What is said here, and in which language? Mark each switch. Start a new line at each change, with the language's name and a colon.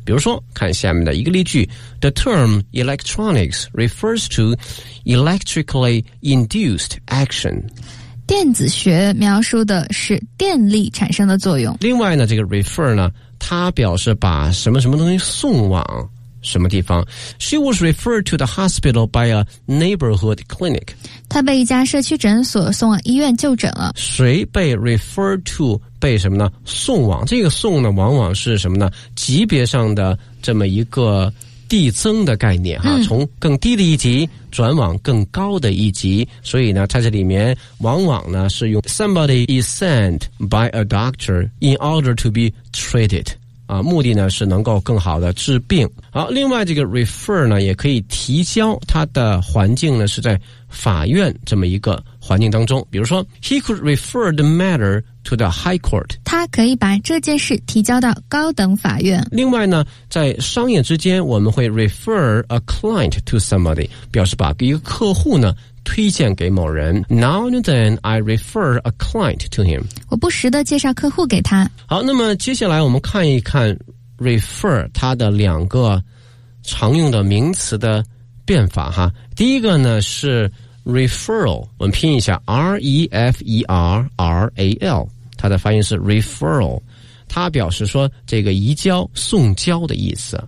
Chinese: 比如说看下面的一个例句，
English: The term electronics refers to electrically induced action，
Chinese: 电子学描述的是电力产生的作用。另外呢这个 refer 呢它表示把什么什么东西送往什么地方。
English: She was referred to the hospital by a neighborhood clinic，
Chinese: 她被一家社区诊所送往医院就诊了。谁被 referred to， 被什么呢，送往，这个送呢往往是什么呢，级别上的这么一个递增的概念哈，嗯，从更低的一级转往更高的一级。所以呢它这里面往往呢是用
English: somebody is sent by a doctor in order to be treated
Chinese: 啊，目的呢是能够更好的治病。好，另外这个 refer 呢也可以提交，它的环境呢是在法院这么一个环境当中。比如说
English: he could refer the matter to the high court，
Chinese: 他可以把这件事提交到高等法院。另外呢在商业之间我们会
English: refer a client to somebody，
Chinese: 表示把一个客户呢推荐给某人。
English: Now and then I refer a client to him，
Chinese: 我不时的介绍客户给他。好，那么接下来我们看一看 refer 它的两个常用的名词的变法哈。第一个呢是 referral， 我们拼一下 referral， 它的发音是 referral， 它表示说这个移交送交的意思。